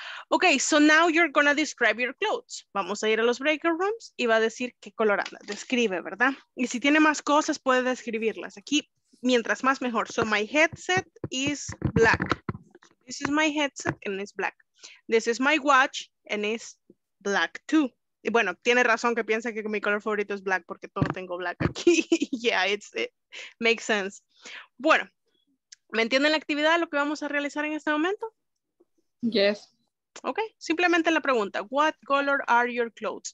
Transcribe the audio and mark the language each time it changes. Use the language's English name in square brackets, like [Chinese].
[English] Okay, so now you're gonna describe your clothes. [Spanish] Vamos a ir a los breakout rooms y va a decir qué color anda. Describe, ¿verdad? Y si tiene más cosas, puede describirlas. Aquí, mientras más mejor. [English] So my headset is black. This is my headset and it's black. This is my watch and it's black too. [Spanish] Y bueno, tiene razón que piensa que mi color favorito es black porque todo tengo black aquí. [English] Yeah, it makes sense. [Spanish] Bueno, ¿me entienden la actividad, lo que vamos a realizar en este momento? [English] Yes. Ok, [Spanish] simplemente la pregunta, [English] what color are your clothes?